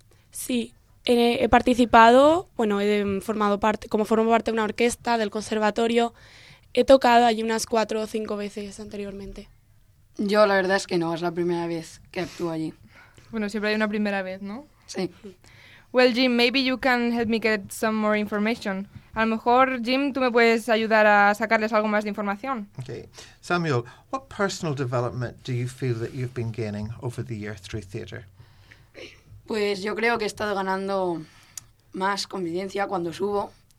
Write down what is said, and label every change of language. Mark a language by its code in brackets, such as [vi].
[es] Sí, he participado, bueno, he formado parte, como formo parte de una orquesta del conservatorio, he tocado allí unas 4 o 5 veces anteriormente. Yo la verdad es que no, es la primera vez que actúo allí. Bueno, siempre hay una primera vez, ¿no? Sí. [en] Well, Jim, maybe you can help me get some more information. [es] A lo mejor, Jim, tú me puedes ayudar a sacarles algo más de información. [en] Okay. Samuel, what personal development do you feel that you've been gaining over the years through theater? [es] Pues yo creo que he estado ganando más convivencia cuando subo.